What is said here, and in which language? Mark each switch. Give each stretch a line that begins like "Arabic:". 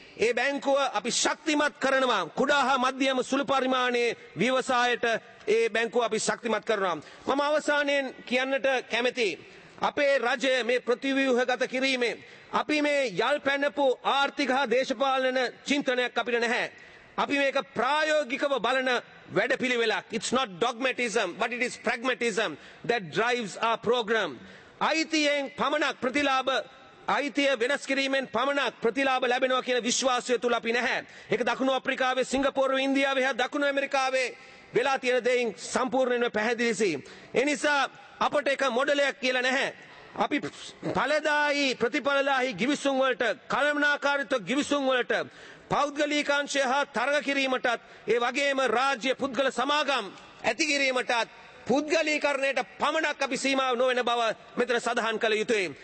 Sinhala: ඒ බැංකුව අපි ශක්තිමත් කරනවා. කුඩා හා මධ්‍යම සුළු පරිමාණයේ ව්‍යවසායට ඒ බැංකුව අපි ශක්තිමත් කරනවා. මම අවසානයෙන් කියන්නට කැමැති අපේ රජය මේ ප්‍රතිව්‍යුහගත කිරීමේ අපි මේ යල් පැනපු ආර්ථික හා දේශපාලන චින්තනයක් අපිට නැහැ. අපි මේක ප්‍රායෝගිකව බලන වැඩපිළිවෙලක්.
English: It's not dogmatism but it is pragmatism that drives our program.
Sinhala: අයිතියෙන් පමණක් ප්‍රතිලාභ අයිතිය වෙනස් කිරීමෙන් පමණක් ප්‍රතිලාභ ලැබෙනවා කියන විශ්වාසය තුල අපි නැහැ. ඒක දකුණු අප්‍රිකාවේ, සිංගප්පූරුවේ, ඉන්දියාවේ හා දකුණු ඇමරිකාවේ වෙලා තියෙන දෙයින් සම්පූර්ණයෙන්ම පැහැදිලිසි. ඒ නිසා අපට එක මොඩලයක් කියලා නැහැ. අපි ඵලදායි ප්‍රතිඵලදායි ගිවිසුම් වලට, කළමනාකාරීත්ව ගිවිසුම් වලට, පෞද්ගලිකාංශය හා තරග කිරීමටත්, ඒ වගේම රාජ්‍ය පුද්ගල සමාගම් ඇති කිරීමටත් පුද්ගලීකරණයට පමණක් අපි සීමා නොවන බව මෙතන සඳහන් කළ යුතුයි.